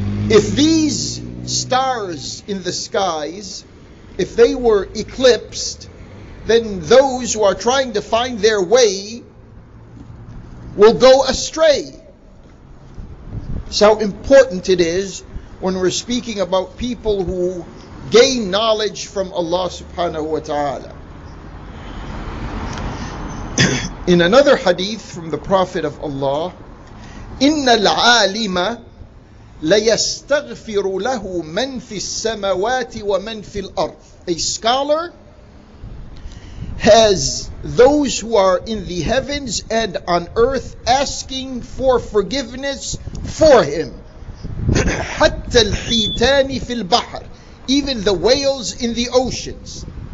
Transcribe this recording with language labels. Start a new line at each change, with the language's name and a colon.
English: If these stars in the skies, if they were eclipsed, then those who are trying to find their way will go astray. So how important it is when we're speaking about people who gain knowledge from Allah subhanahu wa ta'ala. In another hadith from the Prophet of Allah,
Arabic: إِنَّ الْعَالِمَ لَيَسْتَغْفِرُ لَهُ مَنْ فِي السَّمَوَاتِ وَمَنْ فِي الْأَرْضِ.
English: A scholar has those who are in the heavens and on earth asking for forgiveness for him.
Arabic: حَتَّى الْحِيتَانِ فِي الْبَحْرِ.
English: Even the whales in the oceans.